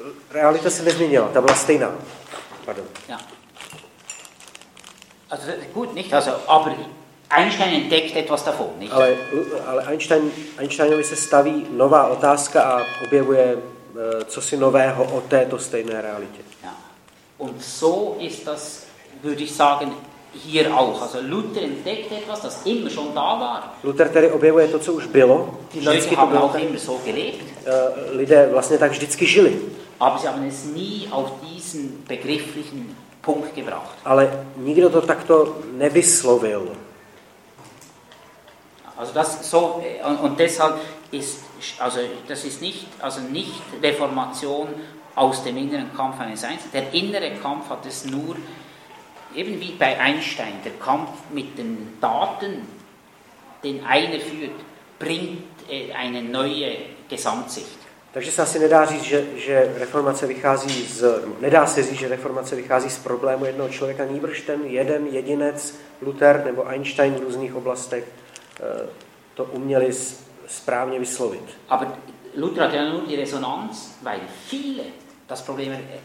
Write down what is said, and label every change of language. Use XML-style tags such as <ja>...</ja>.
<cs>Realita se nezměnila, ta byla stejná.</cs> <de>Pardon. Ja. Also gut, nicht? Also, aber Einstein entdeckt etwas davon, nicht?</de> <cs>Ale Einsteinovi se staví nová otázka a objevuje cosi nového o této stejné realitě.</cs> <de>Ja. Und so ist das, würde ich sagen, hier auch. Also Luther entdeckt etwas, das immer schon da war.</de> <cs>Luther tedy objevuje to, co už bylo. Vždycky to bylo.</cs> <de>Immer so gelebt.</de> <cs>Lidé vlastně tak vždycky žili.</cs> <de>Aber sie haben es nie auf diesen begrifflichen Punkt gebracht.</de> <cs>Ale nikdo to takto nevyslovil.</cs> <de>Also das so und deshalb ist also das ist nicht also nicht Reformation aus dem inneren Kampf eines Einzelnen. Der innere Kampf hat es nur eben wie bei Einstein, der Kampf mit den Daten, den einer führt, bringt eine neue Gesamtsicht.</de> <cs>Takže se asi nedá říct, že reformace vychází z, nedá se říct, že reformace vychází z problému jednoho člověka, nýbrž ten jeden jedinec, Luther nebo Einstein v různých oblastech to uměli správně vyslovit.</cs> <de>Aber Luther hat ja nur die Resonanz, weil viele das Problem</de>